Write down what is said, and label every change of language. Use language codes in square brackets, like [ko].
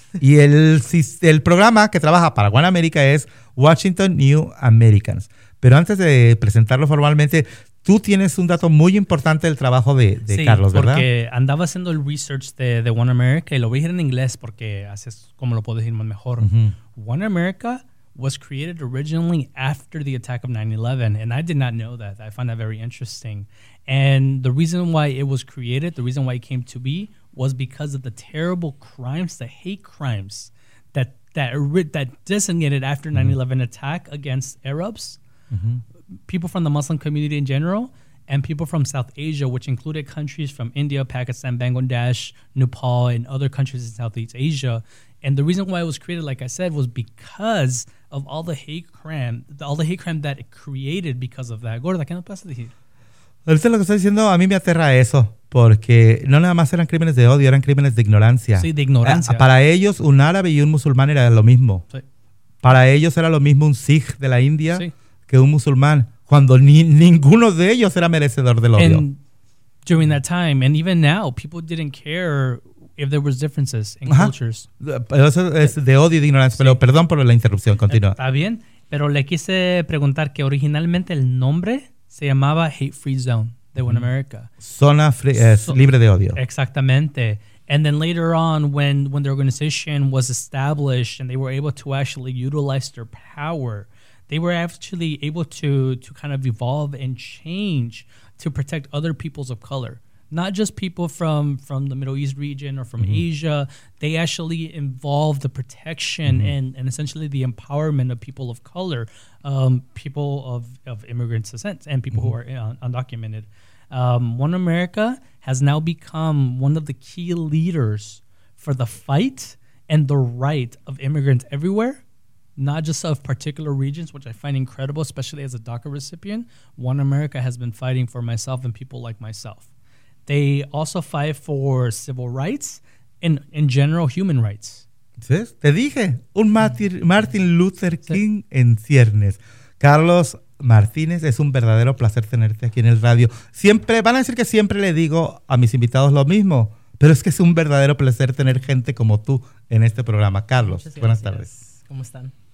[es] Y el programa que trabaja para One America es Washington New Americans. Pero antes de presentarlo formalmente, tú tienes un dato muy importante del trabajo de sí, Carlos, ¿verdad? Porque andaba haciendo el research de One America y lo voy a decir en inglés porque así es como lo puedo decir más mejor. Uh-huh. [en] One America was created originally after the attack of 9/11, and I did not know that. I find that very interesting. And the reason why it was created, the reason why it came to be, was because of the terrible crimes, the hate crimes that designated after 9/11 attack against Arabs, people from the Muslim community in general, and people from South Asia, which included countries from India, Pakistan, Bangladesh, Nepal, and other countries in Southeast Asia. And the reason why it was created, like I said, was because of all the hate crime, all the hate crime that it created because of that. [es] Gorda, ¿qué no pasa de aquí? Ahorita lo que estás diciendo, a mí me aterra eso, porque no nada más eran crímenes de odio, eran crímenes de ignorancia. Sí, de ignorancia. Para ellos, un árabe y un musulmán era lo mismo. Sí. Para ellos era lo mismo un Sikh de la India que un musulmán, cuando ninguno de ellos era merecedor del odio. [en] And during that time, and even now, people didn't care if there was differences in cultures. [es] Eso es de odio y de ignorancia, pero perdón por la interrupción, continúa. Está bien, pero le quise preguntar que originalmente el nombre se llamaba Hate Free Zone de One America. Zona libre de odio. Exactamente. [en] And then later on, when the organization was established and they were able to actually utilize their power, they were actually able to kind of evolve and change to protect other peoples of color. Not just people from the Middle East region or from Asia. They actually involved the protection and essentially the empowerment of people of color, people of immigrant descent and people who are undocumented. One America has now become one of the key leaders for the fight and the right of immigrants everywhere, not just of particular regions, which I find incredible, especially as a DACA recipient. One America has been fighting for myself and people like myself. They also fight for civil rights and, in general, human rights. [es] ¿Sí? Te dije, un Martin Luther King en ciernes. Carlos Martínez, es un verdadero placer tenerte aquí en el radio. Siempre, van a decir que siempre le digo a mis invitados lo mismo, pero es que es un verdadero placer tener gente como tú en este programa. Carlos, buenas tardes. ¿Cómo están?